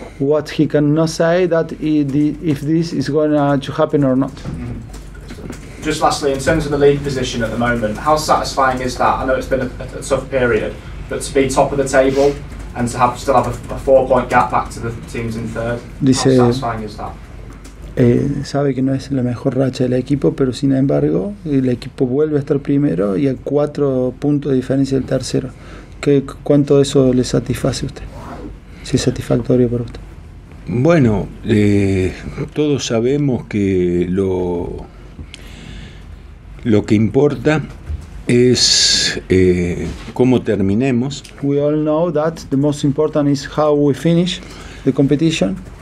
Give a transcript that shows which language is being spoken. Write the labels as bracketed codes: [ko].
[en] What he cannot say that if this is going to happen or not. Just lastly, in terms of the league position at the moment, how satisfying is that? I know it's been a tough period, but to be top of the table and to have still have a 4-point gap back to the teams in third. [es] Dice, [en] how satisfying is that? [es] Sabe que no es la mejor racha del equipo, pero sin embargo el equipo vuelve a estar primero y a 4 puntos de diferencia del tercero. ¿Cuánto eso le satisface a usted? ¿Si es satisfactorio para usted? Bueno, todos sabemos que lo que importa es cómo terminemos. [en] We all know that the most important is how we finish the competition.